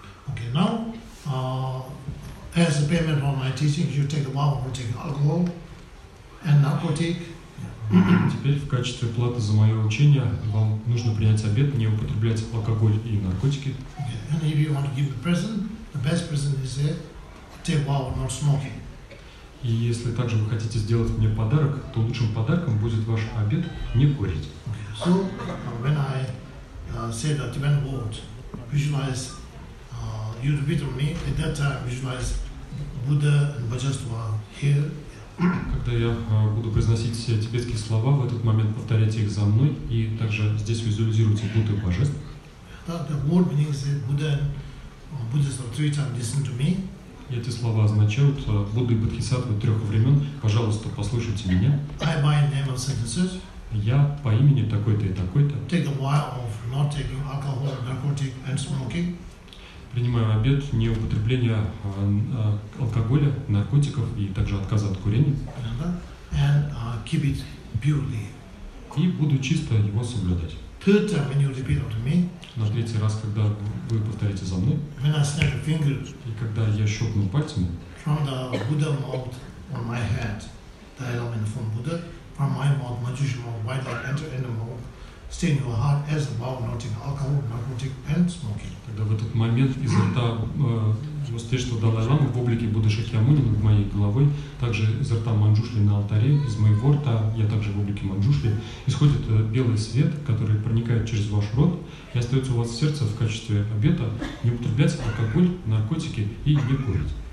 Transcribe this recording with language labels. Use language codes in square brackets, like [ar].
[en] Okay, now, as a payment for my teaching, you take a vow of taking alcohol and narcotic. [ru] Теперь в качестве платы за мое учение вам нужно принять обет не употреблять алкоголь и наркотики. [en] Okay. And if you want to give a present, the best person is take vow of not smoking. [ru] И если также вы хотите сделать мне подарок, то лучшим подарком будет ваш обет не курить. [en] Okay. So when I say the Tibetan word, visualize you repeat on me. At that time, visualize Buddha and Bodhisattva here. [ru] Когда я буду произносить все тибетские слова, в этот момент повторяйте их за мной и также здесь визуализируйте Будду и Божеств. [en] The word means Buddha. Buddhism three times listen to me. [ru] Эти слова означают Будда и Бодхисаттва трех времен. Пожалуйста, послушайте меня. [en] I by name of sentences. [ru] Я по имени такой-то и такой-то. [en] Take a vow of not taking alcohol, narcotic and smoking. [ru] Принимаю обет не употребления алкоголя, наркотиков и также отказа от курения. [en] And keep it purely. [ru] И буду чисто его соблюдать. [en] Third time when you repeat after me. [ru] На третий раз, когда вы повторите за мной. [en] When I snap a finger. [ru] И когда я щелкну пальцами. [en] From the Buddha mouth on my head, the Dalai Lama from Buddha, from my mouth, Manjushri mouth, white light enter in the mouth, stay in your heart as the vow of not taking alcohol, narcotic and smoking. [ru] Когда в этот момент из рта святейшего Далай Ламы в облике Будды Шакьямуни над моей головой, также из рта Манджушли на алтаре, из моего рта, я также в облике Манджушли, исходит белый свет, который проникает через ваш рот и остается у вас в сердце в качестве обета не употреблять алкоголь, наркотики и не курить.